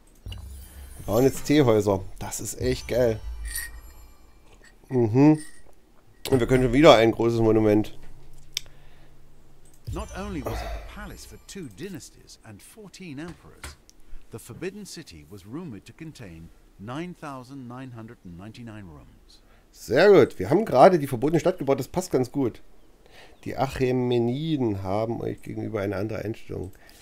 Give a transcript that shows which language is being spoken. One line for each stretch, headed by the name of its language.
German: Wir bauen jetzt Teehäuser. Das ist echt geil. Mhm. Und wir können schon wieder ein großes Monument.
English: Not only was it a palace for two dynasties and 14 emperors, the Forbidden City was rumored to contain 9999 rooms.
German: Sehr gut. Wir haben gerade die verbotene Stadt gebaut. Das passt ganz gut. Die Achämeniden haben euch gegenüber eine andere Einstellung.